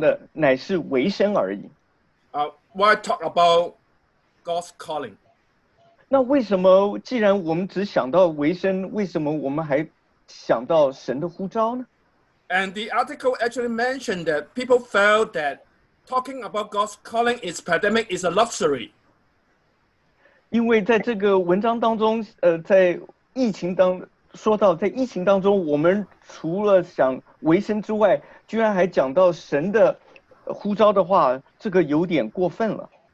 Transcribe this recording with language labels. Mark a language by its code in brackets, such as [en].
[zh] 讲到最近我们所希望的乃是维生而已。 [en] Why talk about God's calling? [zh] 那为什么既然我们只想到维生，为什么我们还想到神的呼召呢？ [en] And the article actually mentioned that people felt that talking about God's calling is pandemic is a luxury. [zh] 因为在这个文章当中，在疫情当说到在疫情当中，我们除了想维生之外，居然还讲到神的呼召的话，这个有点过分了。